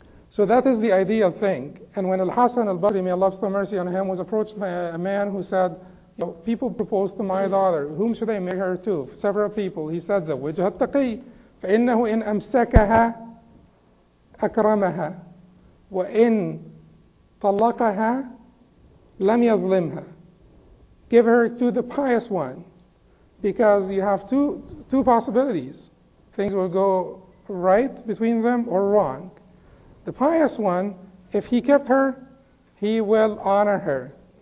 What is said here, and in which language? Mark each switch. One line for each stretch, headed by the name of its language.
English: So that is the ideal thing. And when Al-Hasan al-Basri, may Allah have mercy on him, was approached by a man who said, you know, people propose to my daughter, whom should I marry her to? Several people. He said,
Arabic: زَوِّجْهَا التَّقِي فَإِنَّهُ إِنْ أَمْسَكَهَا أَكْرَمَهَا وَإِنْ طَلَّقَهَا لَمْ يَظْلِمْهَا.
English: Give her to the pious one. Because you have two possibilities. Things will go right between them or wrong. The pious one, if he kept her, he will honor her.